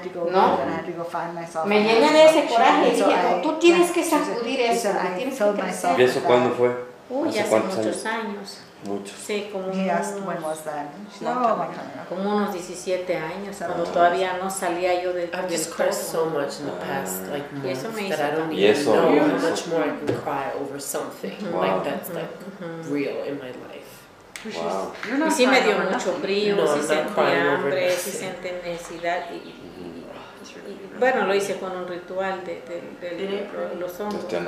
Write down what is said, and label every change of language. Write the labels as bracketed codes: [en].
[es] ¿No? Me llené de ese coraje, y dije, tú tienes que sacudir eso, tienes que crecer. ¿Y eso cuándo fue? Uy, hace muchos años. Muchos. Sí, como [en] he asked when was that? [es] No, como unos 17 años, cuando todavía no salía yo del [en] I've just cried so much in the past, like months, that I don't even know how much more I can cry over something. Wow. Like that's like real in my life. Wow. [es] Y sí me dio mucho frío, no, sí sentí hambre, sí sentí necesidad. Y bueno, lo hice con un ritual de los hombros.